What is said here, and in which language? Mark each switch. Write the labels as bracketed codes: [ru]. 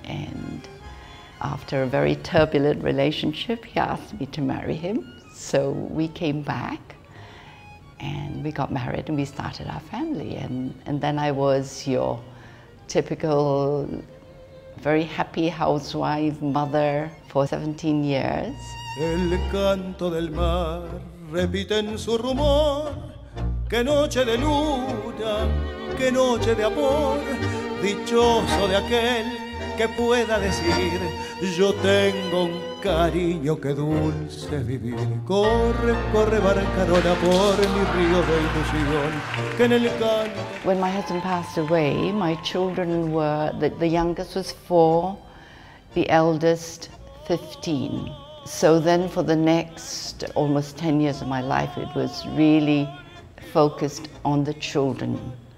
[en] And after a very turbulent relationship, he asked me to marry him. So we came back and we got married and we started our family. And then I was your typical, very happy housewife, mother for 17 years. [es] El canto del mar repite en su rumor. Que noche de luna, que noche de amor, dichoso de aquel. Que pueda decir, yo tengo un cariño que dulce vivir. Corre, corre barcarola por mi río de ilusión. Que en el canto. [en] When my husband passed away, my children were, the youngest was 4, the eldest 15. So then for the next almost 10 years of my life, it was really focused on the children.